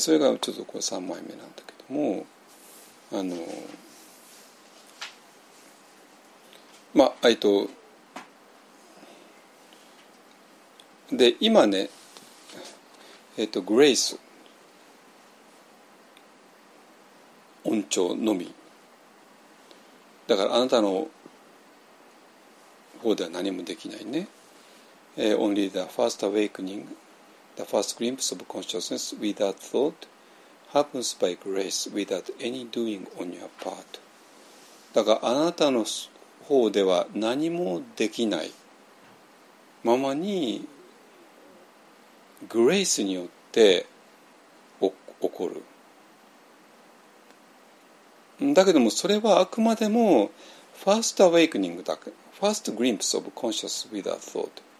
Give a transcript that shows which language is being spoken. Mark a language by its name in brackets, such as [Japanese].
[Japanese] それがちょっとこれ3枚目なんだけども、あの、まあ、で、今ね、グレイス、音調のみ。だから、あなたの方では何もできないね。 [English] Only the first awakening, the first glimpse of consciousness without thought happens by grace without any doing on your part. [Japanese] だから、あなたの方では何もできないままに、グレイスによって起こる。だけどもそれはあくまでもファーストアウェイクニングだけ、 [English] ファーストグリンプスオブコンシャスウィザートート。